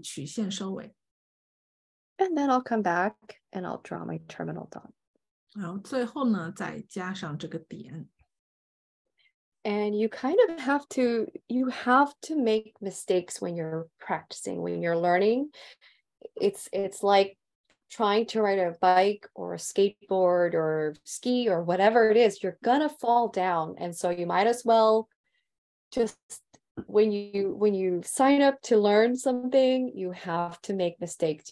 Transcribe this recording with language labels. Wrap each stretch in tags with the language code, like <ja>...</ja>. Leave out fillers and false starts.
<zh>然后再把手肘收回来，游丝起笔写一个直线，然后最后以曲线收尾。</zh> <en>And then I'll come back, and I'll draw my terminal dot.</en> <zh>然后最后呢，再加上这个点。</zh> <en>And you kind of have to, you have to make mistakes when you're practicing, when you're learning. It's like trying to ride a bike or a skateboard or ski or whatever it is, you're gonna fall down. And so you might as well just, when you sign up to learn something, you have to make mistakes.</en>